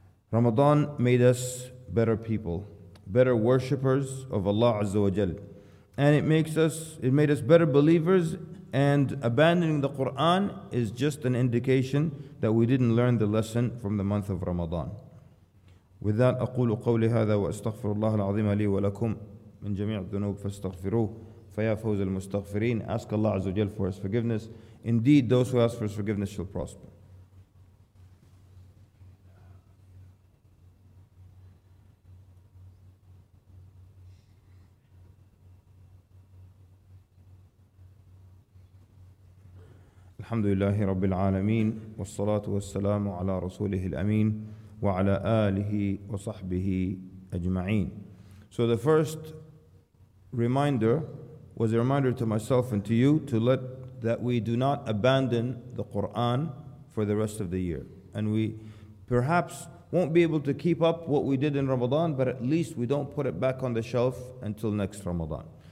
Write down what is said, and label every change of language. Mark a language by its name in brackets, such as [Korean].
[English] Ramadan made us better people, better worshippers of Allah Azza wa Jal. And it made us better believers, and abandoning the Quran is just an indication that we didn't learn the lesson from the month of Ramadan. With that, [Arabic] أقول قولي هذا وأستغفر الله العظيم لي ولكم من جميع الذنوب فاستغفروه فيا فوز المستغفرين. [English] Ask Allah Azza wa Jal for His forgiveness. Indeed, those who ask for His forgiveness shall prosper. [Arabic] الحمد لله رب العالمين والصلاة والسلام على رسوله الأمين وعلى آله وصحبه أجمعين. [English] So the first reminder was a reminder to myself and to you that we do not abandon the Quran for the rest of the year. And we perhaps won't be able to keep up what we did in Ramadan, but at least we don't put it back on the shelf until next Ramadan.